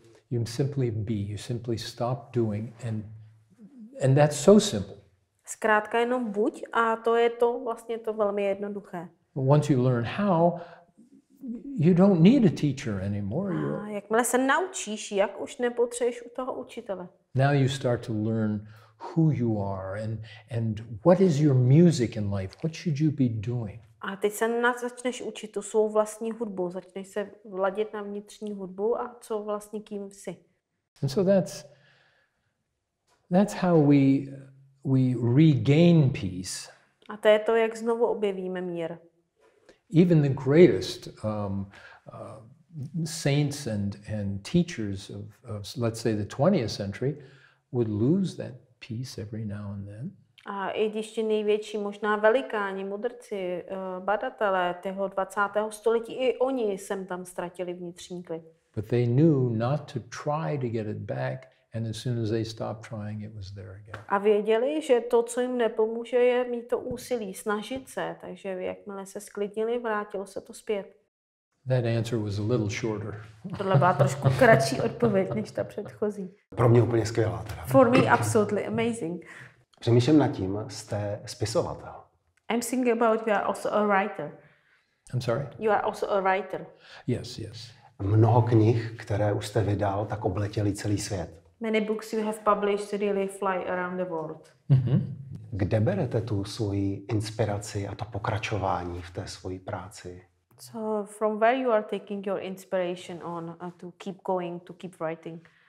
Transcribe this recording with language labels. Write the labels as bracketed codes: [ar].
[en] You simply stop doing, and that's so simple. [cs] Zkrátka jenom buď, a to je to vlastně to velmi jednoduché. [en] Once you learn how, you don't need a teacher anymore. [cs] Jakmile se naučíš, jak už nepotřebuješ u toho učitele. [en] Now you start to learn who you are and what is your music in life. What should you be doing? [cs] A teď se začneš učit tu svou vlastní hudbu, začneš se vladit na vnitřní hudbu a co vlastně kým jsi. [en] And so that's how we regain peace. [cs] A to je to, jak znovu objevíme mír. [en] Even the greatest saints and teachers of let's say the 20th century would lose that peace every now and then. [cs] A i když ti největší možná velikáni, mudrci, badatelé toho 20. století, i oni sem tam ztratili vnitřní klid. [en] But they knew not to try to get it back, and as soon as they stopped trying, it was there again. [cs] A věděli, že to, co jim nepomůže, je mít to úsilí, snažit se, takže jakmile se sklidnili, vrátilo se to zpět. [en] That answer was a little shorter. [cs] Tohle byla trošku kratší odpověď než ta předchozí. Pro mě úplně skvělá teda. [en] For me absolutely amazing. [cs] Přemýšlím nad tím, jste spisovatel. [en] I'm thinking about you are also a writer. I'm sorry? You are also a writer. Yes, yes. [cs] mnoho knih, které už jste vydal, tak obletěly celý svět. [en] Many books you have published really fly around the world. Mm-hmm. [cs] Kde berete tu svoji inspiraci a to pokračování v té svoji práci? [en] So from where you are taking your inspiration on to keep going, to keep writing?